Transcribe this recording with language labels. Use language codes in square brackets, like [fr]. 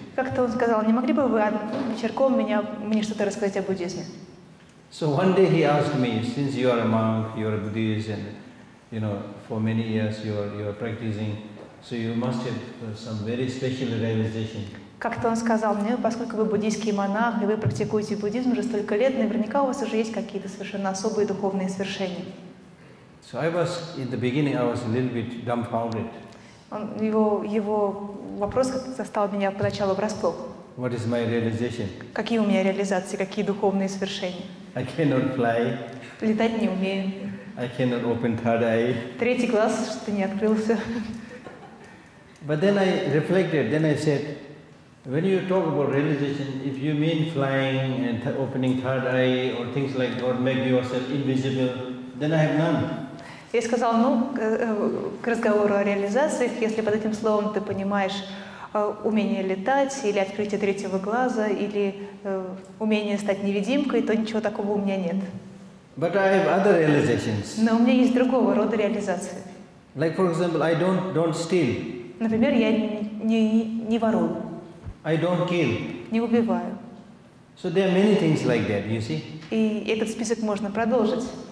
[ru] Как-то он сказал, не могли бы вы вечерком мне что-то рассказать о буддизме? [en] So one day he asked me, since you are a monk, you are a Buddhist, and you know, for many years you are practicing, so you must have some very special realization. [ru] Как-то он сказал мне, поскольку вы буддийский монах и вы практикуете буддизм уже столько лет, наверняка у вас уже есть какие-то совершенно особые духовные свершения. [en] So I was in the beginning, I was a little bit dumbfounded. [ru] Его вопрос застал меня поначалу врасплох. [en] What is my realization? [ru] Какие у меня реализации, какие духовные свершения? [en] I cannot fly. [ru] Летать не умею. [en] I cannot open third eye. [ru] Третий глаз что-то не открылся. [en] But then I reflected, then I said, when you talk about realization, if you mean flying and opening third eye or things like that, make yourself invisible, then I have none. [ru] Я сказал, к разговору о реализациях, если под этим словом ты понимаешь умение летать или открытие третьего глаза или умение стать невидимкой, то ничего такого у меня нет. [en] But I have other realizations. [ru] Но у меня есть другого рода реализации. [en] Like, for example, I don't steal. [ru] Например, я не ворую. [en] I don't kill. [ru] Не убиваю. [en] So there are many things like that, you see? [ru] И этот список можно продолжить.